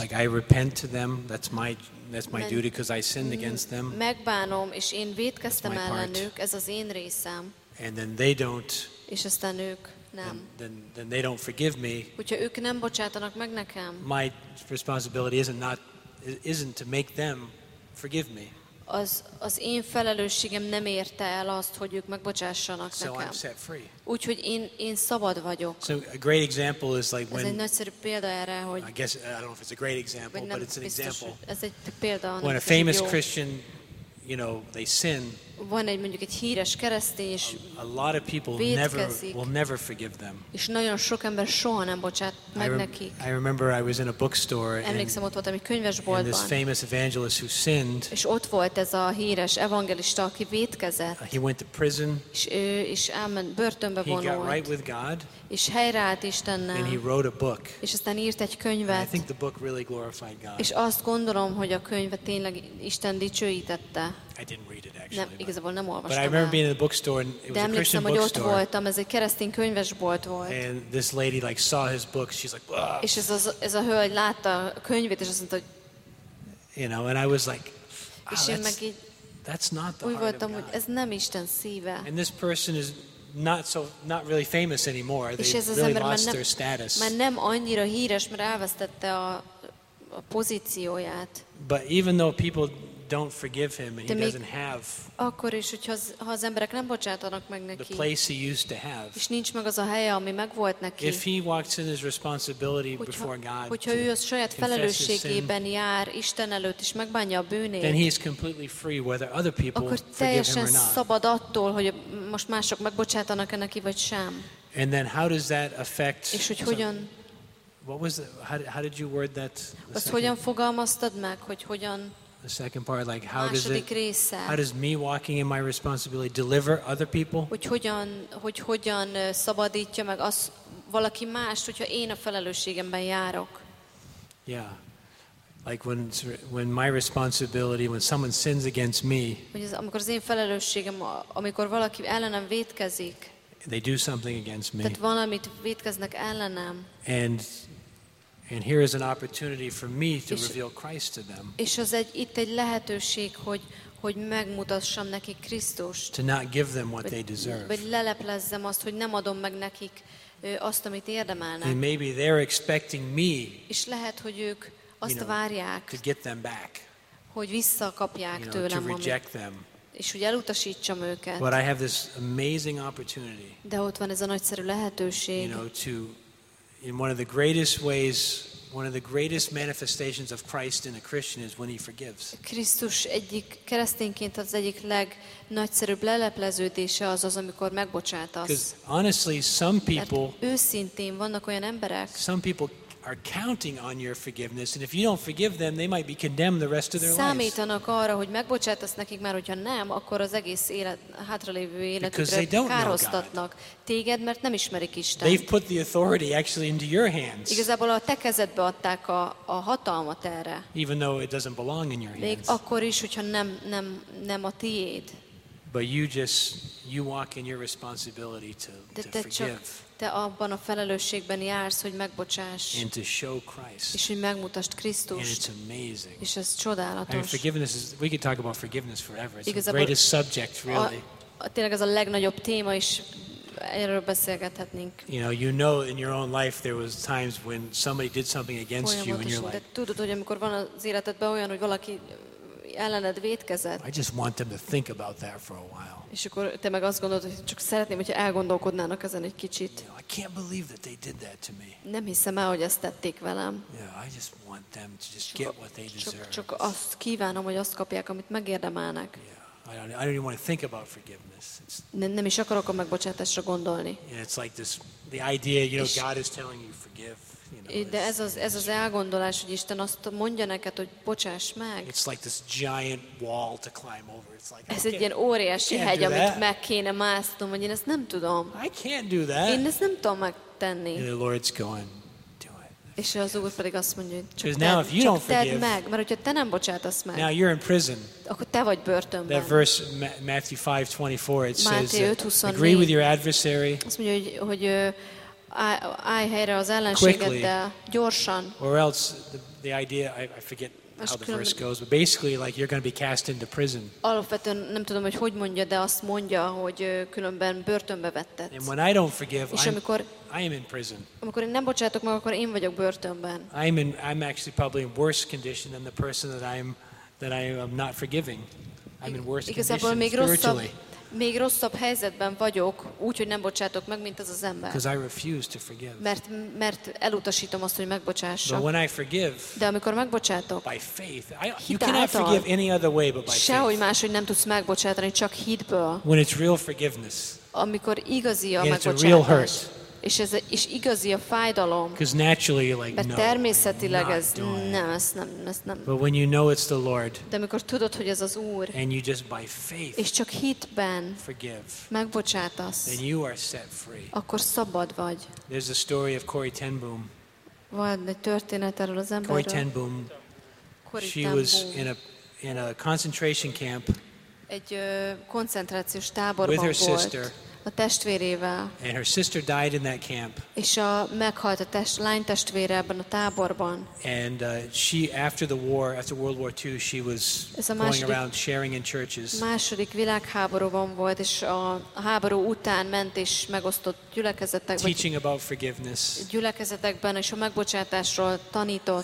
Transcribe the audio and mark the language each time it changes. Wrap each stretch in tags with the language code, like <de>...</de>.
<en>Like I repent to them, that's my duty because I sinned against them.</en> <hu>Megbánom és én vétkeztem ellenük, ez az én részem.</hu> <en>And then they don't.</en> <hu>És aztán ők nem.</hu> <en>Then they don't forgive me.</en> <hu>Hogyha ők nem bocsátanak meg nekem.</hu> <en>My responsibility isn't to make them forgive me.</en> <hu>az én felelősségem nem érte el azt, hogy ők megbocsássanak nekem. Úgyhogy én szabad vagyok.</hu> <en>So a great example is like when,</en> <hu>ez egy nagyszerű példa erre, hogy</hu> <en>I guess I don't know if it's a great example, but it's an example.</en> <hu>Ez egy példa.</hu> <en>When a famous Christian, you know, they sin.</en> <hu>Van egy mondjuk egy híres keresztény, és</hu> <en>a lot of people</en> <hu>vétkezik,</hu> <en>will never forgive them.</en> <hu>És nagyon sok ember soha nem bocsát meg nekik.</hu> <en>I remember I was in a bookstore</en> <hu>emlékszem, ott voltam egy könyvesboltban,</hu> <en>and this famous evangelist who sinned,</en> <hu>és ott volt ez a híres evangelista, aki vétkezett.</hu> <en>He went to prison,</en> <hu>és elment börtönbe vonult.</hu> <en>He got right with God,</en> <hu>és helyreállt Istennel.</hu> <en>And he wrote a book,</en> <hu>és aztán írt egy könyvet.</hu> <en>I think the book really glorified God.</en> <hu>És azt gondolom, hogy a könyve tényleg Isten dicsőítette.</hu> <en>I didn't read it actually.</en> <hu>Nem, igazából nem olvastam.</hu> <en>But I remember being in the bookstore and it was a Christian bookstore.</en> <hu>Ott voltam, ez egy keresztény könyvesbolt volt.</hu> <en>And this lady like saw his book, she's like, ugh.</en> <hu>És ez a hölgy látta a könyvét, és azt mondta, hogy</hu> <en>you know, and I was like, wow, that's not the heart</en> <hu>voltam,</hu> <en>of God.</en> <hu>Hogy ez nem Isten szíve.</hu> <en>And this person is not really famous anymore. They really lost their status.</en> <hu>Már nem annyira híres, mert elvesztette a pozícióját.</hu> <en>But even though people don't forgive him and he doesn't have</en> <hu>akkor is, hogyha az emberek nem bocsátanak meg neki,</hu> <en>the place he used to have,</en> <hu>és nincs meg az a helye, ami megvolt neki,</hu> <en>if he walks in his responsibility before God,</en> <hu>hogyha ő a saját felelősségében jár Isten előtt és megbánja a bűnét,</hu> <en>then he is completely free whether other people forgive him or not,</en> <hu>akkor teljesen szabad attól, hogy most mások megbocsátanak-e neki vagy sem.</hu> <en>And then how does that affect,</en> <hu>és hogy hogyan,</hu> <en>what was how did you word that,</en> <hu>azt hogyan fogalmaztad meg, hogy hogyan,</hu> <en>the second part, like how does me walking in my responsibility deliver other people,</en> <hu>hogy hogyan szabadítja meg az valaki mást, hogyha én a felelősségemben járok.</hu> <en>Yeah, like when my responsibility, when someone sins against me,</en> <hu>amikor az én felelősségem, amikor valaki ellenem vétkezik,</hu> <en>they do something against me,</en> <hu>tehát valamit vétkeznek ellenem,</hu> <en>and here is an opportunity for me to reveal Christ to them.</en> <hu>És az egy itt egy lehetőség, hogy megmutassam nekik Krisztust.</hu> <en>To not give them what they deserve.</en> <hu>Vagy leleplezzem azt, hogy nem adom meg nekik azt, amit érdemelnek.</hu> <en>And maybe they're expecting me.</en> <hu>És lehet, hogy ők azt várják.</hu> <en>To get them back.</en> <hu>Hogy visszakapják tőlem,</hu> <en>to reject them.</en> <hu>És hogy elutasítsam őket.</hu> <en>But I have this amazing opportunity.</en> <hu>De ott van ez a nagyszerű lehetőség.</hu> <en>In one of the greatest ways, one of the greatest manifestations of Christ in a Christian is when he forgives.</en> <hu>Krisztus egyik keresztényként az egyik legnagyszerűbb lelepleződése az, amikor megbocsátasz.</hu> <en>Because honestly, some people,</en> <hu>őszintén vannak olyan emberek,</hu> <en>some people are counting on your forgiveness, and if you don't forgive them, they might be condemned the rest of their lives.</en> <hu>Számítanak arra, hogy megbocsátasz nekik, mert hogyha nem, akkor az egész élet, hátralévő életükre károsztatnak téged, mert nem ismerik Istent.</hu> <en>They've put the authority actually into your hands.</en> <hu>Igazából a te kezedbe adták a hatalmat erre.</hu> <en>Even though it doesn't belong in your hands.</en> <hu>Még akkor is, hogyha nem a tiéd.</hu> <en>But you walk in your responsibility to forgive.</en> <hu>Te abban a felelősségben jársz, hogy megbocsáss.</hu> <en>And to show Christ.</en> <hu>És hogy megmutasd Krisztust.</hu> <en>And it's amazing.</en> <hu>És ez csodálatos.</hu> <en>I mean, forgiveness is, we could talk about forgiveness forever. It's the greatest subject, really.</en> <hu>Tényleg ez a legnagyobb téma, és erről beszélgethetnénk.</hu> <en>You know in your own life there was times when somebody did something against you in your life.</en> <hu>Tudod, hogy amikor van az életedben olyan, hogy valaki ellened vétkezett.</hu> <en>I just want them to think about that for a while.</en> <hu>És akkor te meg azt gondolod, hogy csak szeretném, hogyha elgondolkodnának ezen egy kicsit.</hu> <en>You know, I can't believe that they did that to me.</en> <hu>Nem hiszem el, hogy ezt tették velem.</hu> <en>Yeah, I just want them to just get what they deserve.</en> <hu>Csak azt kívánom, hogy azt kapják, amit megérdemelnek.</hu> <en>Yeah, I don't even want to think about forgiveness.</en> <hu>Nem is akarok a megbocsátásra gondolni.</hu> <en>Yeah, it's like this, the idea, you know, God is telling you forgive.</en> <hu>De ez az elgondolás, hogy Isten azt mondja neked, hogy bocsáss meg.</hu> <en>It's like this giant wall to climb over. It's like,</en> <hu>ez egy ilyen óriási hegy, amit meg kéne másznom, hogy én ezt nem tudom.</hu> <en>I can't do that.</en> <hu>Én ezt nem tudom megtenni.</hu> <en>And the Lord's going, do it.</en> <hu>És az Úr pedig azt mondja, hogy csak tedd meg, mert hogyha te nem bocsátasz meg,</hu> <en>now you're in prison.</en> <hu>Akkor te vagy börtönben.</hu> <en>That verse, Matthew 5:24, it says, agree with your adversary.</en> <hu>Azt mondja, hogy állj helyre az ellenségeddel, gyorsan.</hu> <en>Or else the idea, I forget how the verse goes, but basically like you're going to be cast into prison.</en> <hu>Alapvetően nem tudom, hogy hogy mondja, de azt mondja, hogy különben börtönbe vetted.</hu> <en>And when I don't forgive, I am in prison.</en> <hu>Amikor én nem bocsátok meg, akkor én vagyok börtönben.</hu> <en>I'm actually probably in worse condition than the person that I am not forgiving. I'm in worse condition spiritually.</en> <hu>Még rosszabb helyzetben vagyok, úgyhogy nem bocsátok meg, mint ez az ember.</hu> <en>Because I refuse to forgive.</en> <hu>Mert elutasítom azt, hogy megbocsássak.</hu> <en>But when I forgive,</en> <hu>de amikor megbocsátok,</hu> <en>by faith, you cannot forgive any other way but by faith.</en> <hu>Sehogy máshogy nem tudsz megbocsátani, csak hitből.</hu> <en>When it's real forgiveness,</en> <hu>amikor igazi a megbocsátás,</hu> <en>it's a real hurt.</en> <hu>És ez is igazi a fájdalom.</hu> <en>Because naturally you're like,</en> <hu>mert</hu> <en>no,</en> <hu>természetileg</hu> <en>I'm not</en> <hu>ez, nem, ez nem, ez nem.</hu> <en>But when you know it's the Lord,</en> <hu>de amikor tudod, hogy ez az Úr,</hu> <en>and you just by faith,</en> <hu>és csak hitben</hu> <en>forgive,</en> <hu>megbocsátasz,</hu> <en>then you are set free.</en> <hu>Akkor szabad vagy.</hu> <en>There's a story of Corrie Ten Boom.</en> <hu>Van egy történet erről az emberről.</hu> <en>Corrie Ten Boom. She was in a concentration camp.</en> <hu>Egy koncentrációs táborban</hu> <en>with her sister.</en> <hu>A testvérével.</hu> <en>And her sister died in that camp.</en> <hu>És a meghalt a lány testvére ebben a táborban.</hu> <en>And she, after the war, after World War II, she was going around sharing in churches.</en> <hu>Második világháborúban volt, és a háború után ment és megosztott gyülekezetekben.</hu> <en>Teaching about forgiveness.</en> <hu>Gyülekezetekben és a megbocsátásról tanított.</hu>